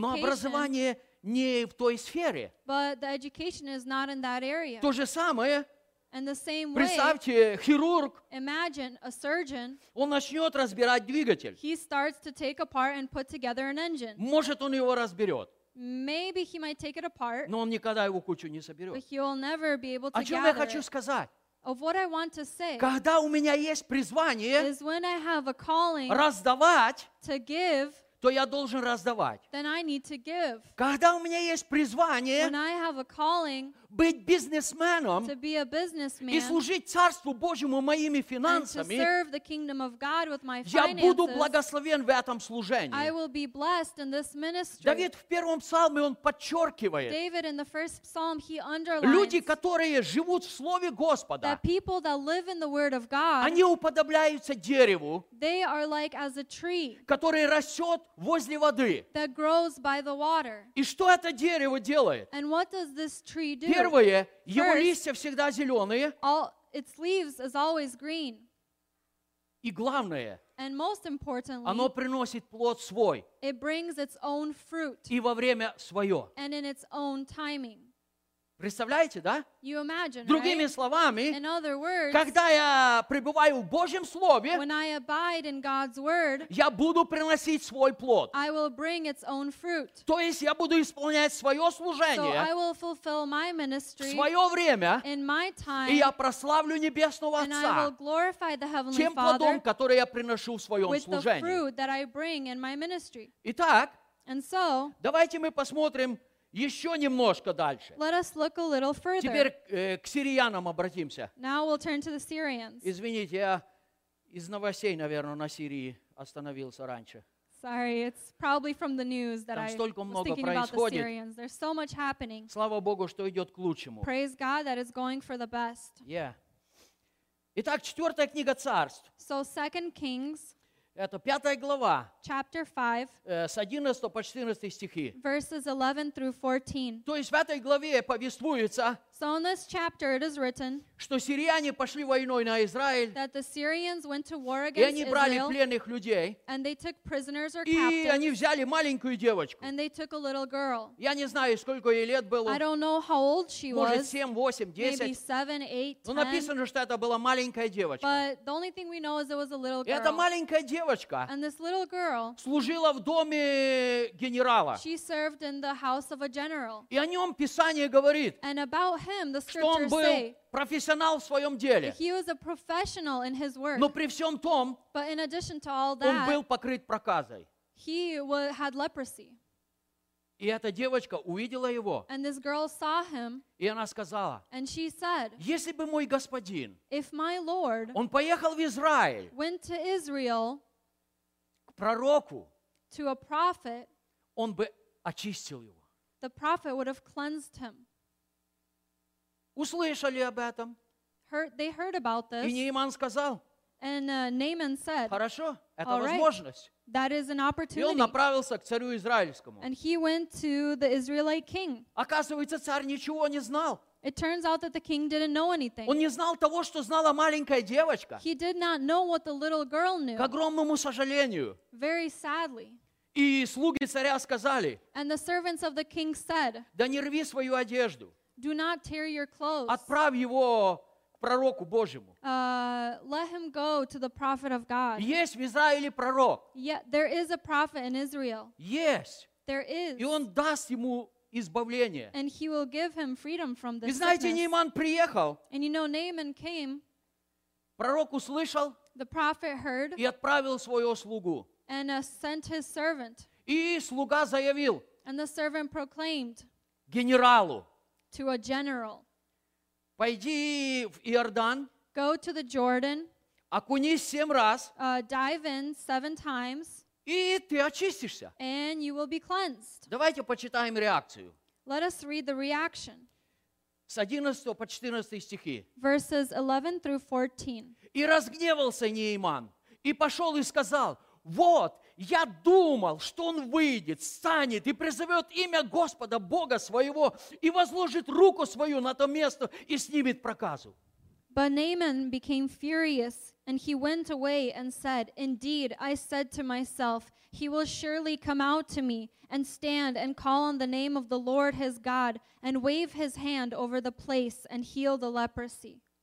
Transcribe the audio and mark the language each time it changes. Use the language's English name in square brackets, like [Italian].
[Russian] Но образование не в той сфере. [English] But the education is not in that area. [Russian] То же самое. [English] And the same way, [Russian] представьте, хирург, [English] imagine a surgeon, [Russian] он начнет разбирать двигатель. [English] He starts to take apart and put together an engine. [Russian] Может, он его разберет. [English] Maybe he might take it apart. [Russian] Но он никогда его кучу не соберет. [English] But he will never be able to gather it. [Russian] О чем я хочу сказать? [English] Of what I want to say, [Russian] когда у меня есть призвание, [English] is when I have a calling, [Russian] раздавать, [English] to give, [Russian] то я должен раздавать. [English] Then I need to give. [Russian] Когда у меня есть призвание, [English] when I have a calling, [Russian] быть бизнесменом [English] to be a businessman, [Russian] и служить Царству Божьему моими финансами, [English] and to serve the kingdom of God with my finances, [Russian] я буду благословен в этом служении. [English] I will be blessed in this ministry. [Russian] Давид в первом псалме он подчеркивает, [English] David, in the first psalm, he underlines, [Russian] люди, которые живут в Слове Господа, [English] that people that live in the word of God, [Russian] они уподобляются дереву, [English] they are like as a tree, [Russian] который растет возле воды. [English] That grows by the water. [Russian] И что это дерево делает? [English] And what does this tree do? [Russian] Первое, его листья всегда зеленые. [English] All, its leaves is always green. [Russian] И главное, [English] and most importantly, [Russian] оно приносит плод свой. [English] It brings its own fruit. [Russian] И во время свое. [English] And in its own timing. [Russian] Представляете, да? [English] You imagine, [Russian] другими [English] right? [Russian] словами, [English] in other words, [Russian] когда я пребываю в Божьем Слове, [English] when I abide in God's word, [Russian] я буду приносить свой плод. [English] I will bring its own fruit. [Russian] То есть я буду исполнять свое служение, [English] so I will fulfill my ministry, [Russian] в свое время, [English] in my time, [Russian] и я прославлю Небесного Отца, [English] and I will glorify the Heavenly [Russian] тем плодом, который я приношу в своем [English] with [Russian] служении. [English] The fruit that I bring in my ministry. [Russian] Итак, [English] and so, [Russian] давайте мы посмотрим, еще немножко дальше. [English] Let us look a little further. [Russian] Теперь к сириянам обратимся. [English] Now we'll turn to the Syrians. [Russian] Извините, я из новостей, наверное, на Сирии остановился раньше. [English] Sorry, it's probably from the news that [Russian] там [English] I [Russian] столько [English] was [Russian] много [English] thinking [Russian] происходит. [English] About the Syrians. There's so much happening. [Russian] Слава Богу, что идет к лучшему. [English] Praise God that it's going for the best. Yeah. [Russian] Итак, четвертая книга Царств. [English] So 2 Kings. [Russian] Это пятая глава, [English] chapter 5, [Russian] с 11 по 14 стихи. [English] Verses 11 through 14. [Russian] То есть в этой главе повествуется, [English] so in this chapter it is written, [Russian] что сириане пошли войной на Израиль, [English] that the Syrians went to war against [Russian] и они брали [English] Israel, [Russian] пленных людей, [English] and they took prisoners or [Russian] и [English] captives, [Russian] они взяли маленькую девочку. [English] And they took a little girl. [Russian] Я не знаю, сколько ей лет было. [English] I don't know how old she was. [Russian] Может, 7, 8, 10. [English] Maybe 7, 8, 10. [Russian] Но написано, что это была маленькая девочка. [English] But the only thing we know is it was a little girl. [Russian] Это маленькая девочка. [English] And this little girl, [Russian] служила в доме генерала. [English] She served in the house of a general. [Russian] И о нем Писание говорит, [English] and about him, the scriptures [Russian] что он был [English] say, [Russian] профессионал в своем деле. [English] He was a professional in his work. [Russian] Но при всем том, [English] but in addition to all that, [Russian] он был покрыт проказой. [English] He had leprosy. [Russian] И эта девочка увидела его. [English] And this girl saw him, [Russian] и она сказала, [English] and she said, [Russian] если бы мой господин, [English] if my Lord, [Russian] он поехал в Израиль, [English] went to Israel, [Russian] к пророку, [English] to a prophet, [Russian] он бы очистил его. [English] The prophet would have cleansed him. [Russian] Услышали об этом? [English] They heard about this. [Russian] И Нейман сказал. [English] And Naaman said, [Russian] хорошо, это возможность. [English] Right, that is an opportunity. [Russian] И он направился к царю израильскому. [English] And he went to the Israelite king. [Russian] Оказывается, царь ничего не знал. [English] It turns out that the king didn't know anything. [Russian] Он не знал того, что знала маленькая девочка. [English] He did not know what the little girl knew. [Russian] К огромному сожалению. [English] Very sadly. [Russian] И слуги царя сказали. [English] And the servants of the king said. [Russian] Да не рви свою одежду. [English] Do not tear your clothes. [Russian] Отправь его к пророку Божьему. [English] Let him go to the prophet of God. [Russian] Есть в Израиле пророк. [English] Yeah, there is a prophet in Israel. [Russian] Есть. [English] There is. [Russian] И он даст ему избавление. [English] And he will give him freedom from this. [Russian] И знаете, Нейман приехал. [English] And you know, Naaman came. [Russian] Пророк услышал. [English] The prophet heard. [Russian] И отправил своего слугу. [English] And sent his servant. [Russian] И слуга заявил. [English] And the servant proclaimed. [Russian] Генералу. [English] To a general. [Russian] Пойди в Иордан. [English] Go to the Jordan. [Russian] Окунись 7 раз. [English] Dive in 7 times. [Russian] И ты очистишься. [English] And you will be cleansed. [Russian] Давайте почитаем реакцию. [English] Let us read the reaction. [Russian] С 11 по 14 стихи. [English] Verses 11 through 14. [Russian] И разгневался Нейман, и пошел и сказал, вот, я думал, что он выйдет, станет и призовет имя Господа Бога своего и возложит руку свою на то место и снимет проказу. [English] But Naaman became furious, and he went away and said, indeed, I said to myself, he will surely come out to me and stand and call on the name of the Lord his God and wave his hand over the place and heal the leprosy.